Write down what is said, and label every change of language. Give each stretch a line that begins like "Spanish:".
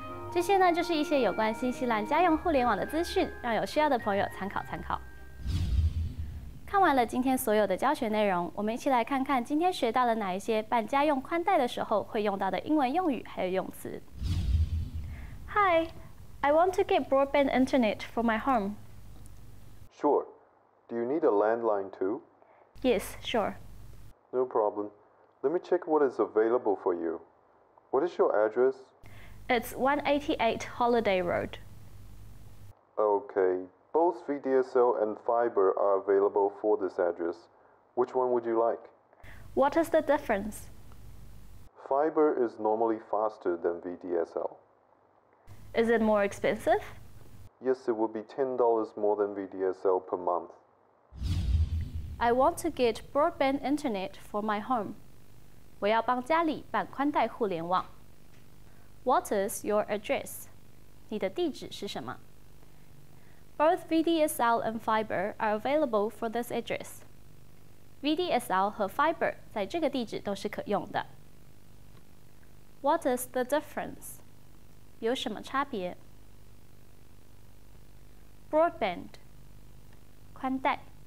Chinese: 这些呢就是一些有关新西兰家用互联网的资讯，让有需要的朋友参考参考。看完了今天所有的教学内容，我们一起来看看今天学到了哪一些办家用宽带的时候会用到的英文用语还有用词。
English: Hi, I want to get broadband internet for my home. Sure. Do you need a landline too? Yes, sure. No problem. Let me check what is available for you. What is your address? It's 188 Holiday Road. Okay, both VDSL and fiber are available for this address. Which one would you like? What is the difference? Fiber is normally faster than VDSL. Is it more expensive? Yes, it would be $10 more than VDSL per month. I want to get broadband internet for my home.
Chinese: 我要帮家里办宽带互联网。
English: What is your address?
Chinese: 你的地址是什么？
English: Both VDSL and fiber are available for this address.
Chinese: VDSL 和 fiber 在这个地址都是可用的。
English: What is the difference?
Chinese: 有什么差别？ Broadband 宽带。